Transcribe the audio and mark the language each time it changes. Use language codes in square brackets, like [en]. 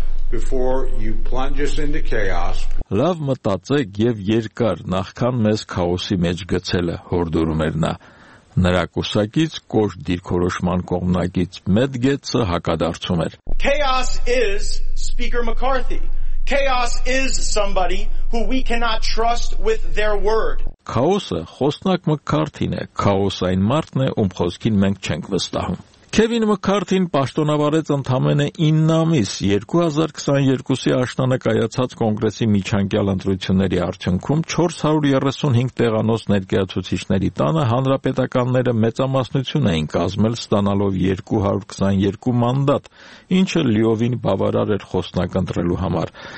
[en] Before you plunge us into chaos. [hy] Լավ մտածեք եւ երկար նախքան մեզ քաոսի մեջ գցելը, հորդորում էր նա։ Նրա կուսակից կոչ դիրքորոշման կողմնակից Մեթ Գեթսը հակադարձում էր. [en] Chaos is Speaker McCarthy. Chaos is somebody who we cannot trust with their word. [hy] Քաոսը խոսնակ Մակ-Քարթին է, քաոս այն մարդն է, ում խոսքին մենք չենք վստահում։ Քևին Մաքարթին պաշտոնավարեց ընդամենը 9 ամիս 2022-ի աշնանը կայացած կոնգրեսի միջանկյալ ընտրությունների արդյունքում 435 տեղանոց ներկայացուցիչների տանը հանրապետականները մեծամասնություն էին կազմել ստանալով 222 մանդատ, ինչը լիովին բավարար էր խոսնակ ընտրելու համար։